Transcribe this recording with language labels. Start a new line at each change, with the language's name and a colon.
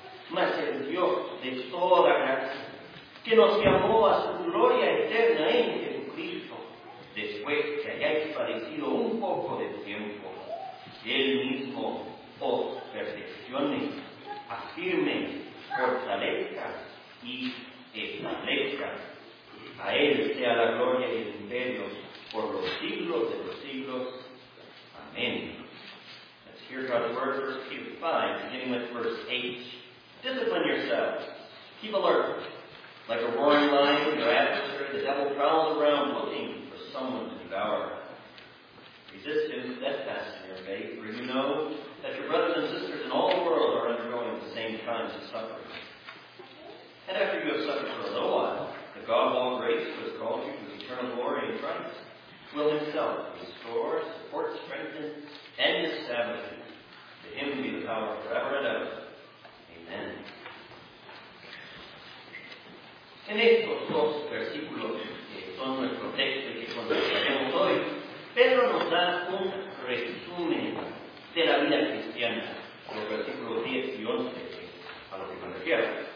Spanish: Mas el Dios de toda gracia, que nos llamó a su gloria eterna en Jesucristo, después que hayáis padecido un poco de tiempo, Él mismo os perfeccione, afirme, fortalezca y establezca. A Él sea la gloria y el imperio por los siglos de los siglos. Amén.
English: Let's hear God's word, verse 5, beginning with verse 8. Discipline yourself. Keep alert. Like a roaring lion, your adversary, the devil, prowls around looking for someone to devour. Resist him steadfast in your faith, for you know that your brothers and sisters in all the world are undergoing the same kinds of suffering. And after you have suffered for a little while, the God of all grace, who has called you to his eternal glory in Christ, will himself restore, support, strengthen, and establish you. To him be the power forever and ever. Amen.
Spanish: En estos dos versículos que son nuestro texto y que contemplaremos hoy, Pedro nos da un resumen de la vida cristiana, los versículos 10 y 11, a lo que me refiero.